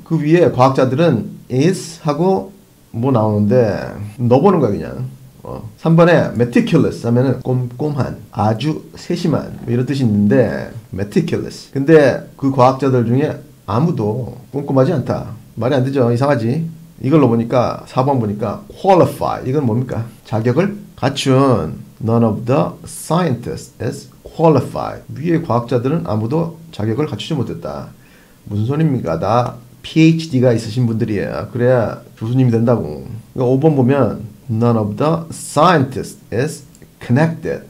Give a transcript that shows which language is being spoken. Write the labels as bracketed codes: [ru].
[ko] 그 위에 과학자들은 is 하고 뭐 나오는데, 넣어보는 거야, 그냥. 3번에 meticulous 하면은 꼼꼼한, 아주 세심한, 뭐 이런 뜻이 있는데, meticulous. 근데 그 과학자들 중에 아무도 꼼꼼하지 않다. 말이 안 되죠. 이상하지? 이걸 넣어보니까, 4번 보니까, qualify. 이건 뭡니까? 자격을 갖춘 [en] none of the scientists is qualified. [ko] 위에 과학자들은 아무도 자격을 갖추지 못했다. 무슨 소리입니까? 나 PhD가 있으신 분들이에요. 그래야 교수님이 된다고. 5번 보면 [en] none of the scientists is connected.